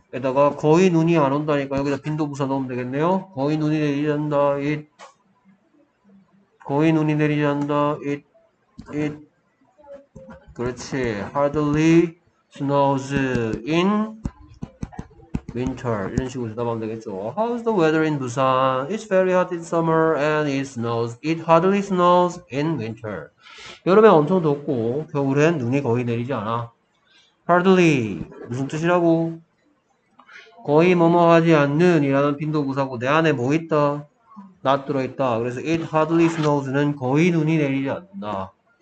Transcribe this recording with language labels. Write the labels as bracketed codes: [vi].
[ko] 에다가 거의 눈이 안 온다니까 여기다 빈도 부사 넣으면 되겠네요. 거의 눈이 내리잔다. It 거의 눈이 내리잔다. [en] It [ko] 그렇지. [en] Hardly snows in winter. [ko] 이런 식으로 대답하면 되겠죠. [en] How's the weather in Busan? It's very hot in summer and it snows. It hardly snows in winter. [ko] 여름에 엄청 덥고 겨울엔 눈이 거의 내리지 않아. Hardly 무슨 뜻이라고? 거의 뭐뭐하지 않는 이라는 빈도구사고 내 안에 뭐 있다? Not 들어있다. 그래서 [en] it hardly snows [ko] 는 거의 눈이 내리지 않는다.